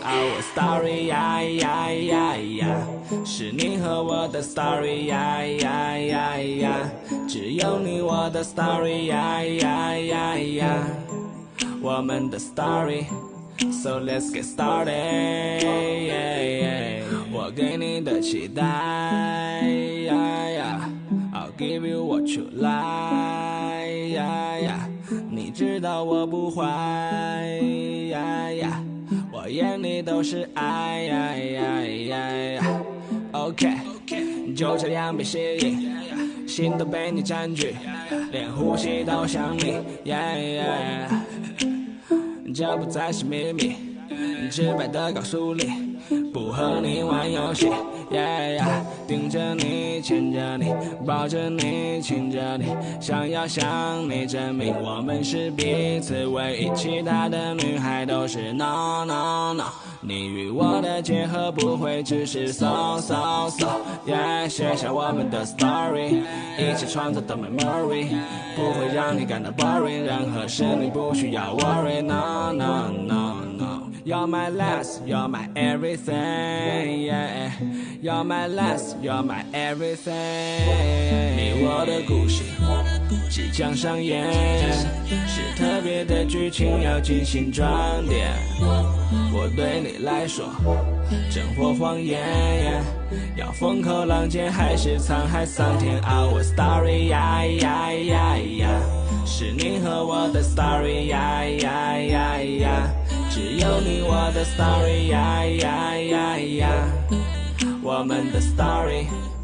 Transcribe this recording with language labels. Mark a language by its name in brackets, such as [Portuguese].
[Chinese] Our story 呀呀呀呀，是你和我的 story 呀呀呀呀，只有你我的 story 呀呀呀呀，我们的 story。 [English] So let's get started, yeah, yeah. [Chinese] 我给你的期待 yeah, yeah. [English] I'll give you what you like yeah, yeah. [Chinese] 你知道我不坏 yeah, yeah. 我眼里都是爱 yeah, yeah, yeah, yeah. Okay, 就这样被吸引，心都被你占据，连呼吸都想你 yeah, yeah, yeah. 这不再是秘密，直白的告诉你，不和你玩游戏 yeah, yeah, 盯着你，牵着你，抱着你，亲着你，想要向你证明我们是彼此唯一，其他的女孩都是 no no no。你与我的结合不会只是 so so so yeah, 写下我们的 story, 一起创造的 memory,不会让你感到 boring, 任何事你不需要 worry, no, no, no, no. [English] You're my last, you're my everything, yeah. You're my last, you're my everything. [Chinese] 你我的故事即将上演，是特别的剧情要精心装点。我对你来说真或谎言，要风口浪尖还是沧海桑田。 Our story 呀呀呀呀，是你和我的 story 呀呀呀呀，只有你我的 story 呀呀呀呀，我们的 story。